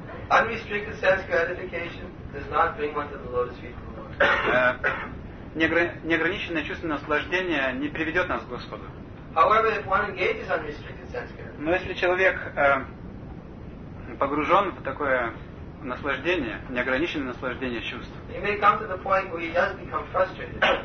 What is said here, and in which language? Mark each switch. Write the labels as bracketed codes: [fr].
[en] Unrestricted sense gratification does not bring one to the lotus feet of the Lord. [ru] Неограниченное чувство наслаждения не приведет нас к Господу. [en] However, if one engages unrestricted sense gratification. [ru] Но если человек погружен в такое наслаждение, неограниченное наслаждение чувств. [en] He may come to the point where he does become frustrated.